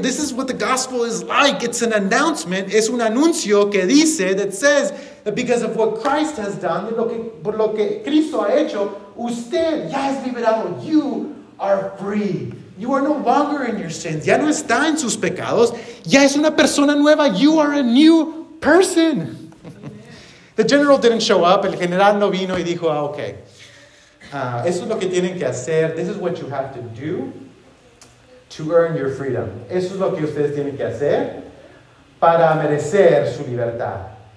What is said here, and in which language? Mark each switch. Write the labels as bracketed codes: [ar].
[en] This is what the gospel is like. It's an announcement. [es] Es un anuncio que dice, [en] that says, that because of what Christ has done, [es] por lo que Cristo ha hecho, usted ya es liberado. [en] You are free. You are no longer in your sins. [es] Ya no está en sus pecados. Ya es una persona nueva. [en] You are a new person. The general didn't show up. [es] El general no vino y dijo, ah, okay. Eso es lo que tienen que hacer. [en] This is what you have to do to earn your freedom. [es] Eso es lo que ustedes tienen que hacer para merecer su libertad.